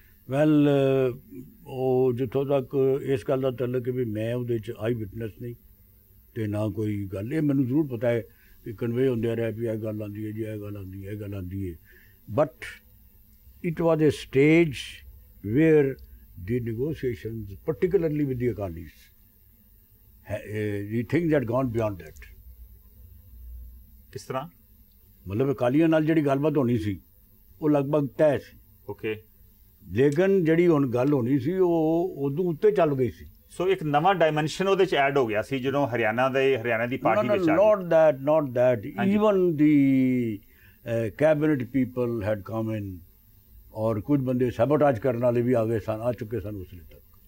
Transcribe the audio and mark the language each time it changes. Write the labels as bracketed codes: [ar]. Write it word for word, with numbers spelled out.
[pa] Well ਉਹ ਜਿੱਥੋਂ ਤੱਕ ਇਸ ਗੱਲ ਦਾ ਤਲਕ ਹੈ ਵੀ ਮੈਂ ਉਹਦੇ 'ਚ ਆਈ ਵਿਟਨੈਸ ਨਹੀਂ ਅਤੇ ਨਾ ਕੋਈ ਗੱਲ, ਇਹ ਮੈਨੂੰ ਜ਼ਰੂਰ ਪਤਾ ਹੈ ਕਿ ਕਨਵੇ ਹੁੰਦਿਆਂ ਰਿਹਾ ਵੀ ਇਹ ਗੱਲ ਆਉਂਦੀ ਹੈ ਜੀ, ਇਹ ਗੱਲ ਆਉਂਦੀ ਹੈ, ਇਹ ਗੱਲ ਆਉਂਦੀ ਹੈ। [en] But it was a stage where the negotiations, particularly with the Akalis, ha- eh, the things had gone beyond that. [pa] ਕਿਸ ਤਰ੍ਹਾਂ? ਮਤਲਬ ਅਕਾਲੀਆਂ ਨਾਲ ਜਿਹੜੀ ਗੱਲਬਾਤ ਹੋਣੀ ਸੀ ਉਹ ਲਗਭਗ ਤੈਅ ਸੀ, [en] Okay. [pa] ਲੇਕਿਨ ਜਿਹੜੀ ਹੁਣ ਗੱਲ ਹੋਣੀ ਸੀ ਉਹ ਉਦੋਂ ਉੱਤੇ ਚੱਲ ਗਈ ਸੀ। ਸੋ ਇੱਕ ਨਵਾਂ ਡਾਈਮੈਂਸ਼ਨ ਉਹਦੇ ਚ ਐਡ ਹੋ ਗਿਆ ਸੀ ਜਦੋਂ ਹਰਿਆਣਾ ਦੇ ਹਰਿਆਣਾ ਦੀ ਪਾਰਟੀ ਵਿੱਚ ਆ ਗਈ। [en] not that not that even the uh, cabinet people had come in [pa] ਔਰ ਕੁਝ ਬੰਦੇ ਸੈਬੋਟਾਜ ਕਰਨ ਵਾਲੇ ਵੀ ਆ ਗਏ ਸਨ, ਆ ਚੁੱਕੇ ਸਨ ਉਸਲੇ ਤੱਕ।